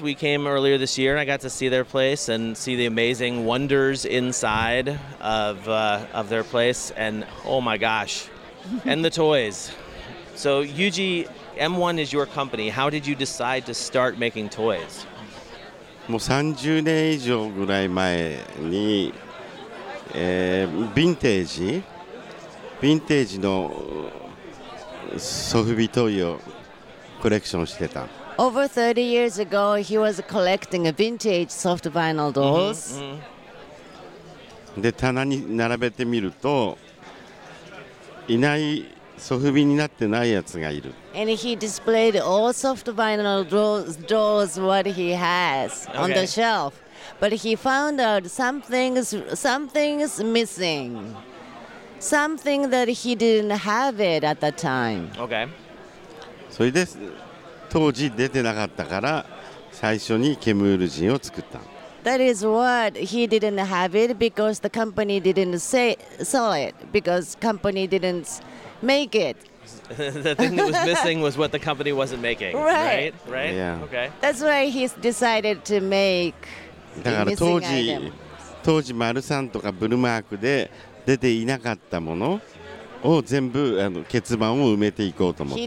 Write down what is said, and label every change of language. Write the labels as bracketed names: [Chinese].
[English] We came earlier this year, and I got to see their place and see the amazing wonders inside of their place, and oh my gosh. And the toys. So, Yuji, M1 is your company. How did you decide to start making toys? [Japanese] もう30年以上ぐらい前に、ヴィンテージのソフビトイをコレクションしてた。 [English] Over 30 years ago, he was collecting vintage soft vinyl dolls. で、棚に並べてみると、いない、ソフビになってないやつがいる。 And he displayed all soft vinyl dolls what he has on the shelf. But he found out something's missing. Something that he didn't have it at the time. Okay. [Japanese] それで当時出てなかったから最初にケムール人を作った。 [English] That is what he didn't have it because the company didn't sell it because company didn't make it. The thing that was missing was what the company wasn't making. Right. Right. Yeah. Okay. That's why he decided to make. [Japanese] だから当時マルサンとかブルマークで出ていなかったものを全部欠番を埋めていこうと思って。